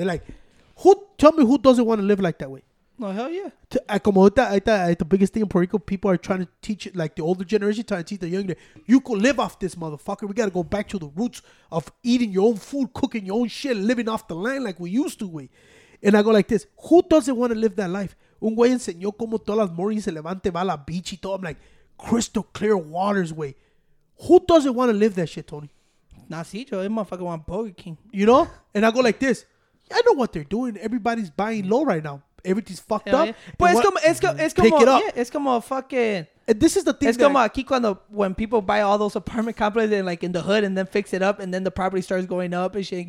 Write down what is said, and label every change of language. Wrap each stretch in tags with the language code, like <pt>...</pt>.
<en>Like, who, tell me who doesn't want to live like that, way? No, hell yeah. To, como the biggest thing in Puerto Rico, people are trying to teach, like, the older generation trying to teach the younger. You could live off this motherfucker. We got to go back to the roots of eating your own food, cooking your own shit, living off the land like we used to, way. And I go like this. Who doesn't want to live that life?</en> <es>Un güey enseñó como todas las morning se levante, va a la beach y todo.</es> <en>I'm like, crystal clear waters, way. Who doesn't want to live that shit, Tony? Nah, see, Joe, this motherfucker want Burger King. You know? And I go like this. I know what they're doing. Everybody's buying low right now. Everything's fucked up. Yeah. But it's como fucking. And this is the thing. It's</en> <es>como aquí cuando,</es> <en>when people buy all those apartment complexes and like in the hood and then fix it up and then the property starts going up and shit.</en>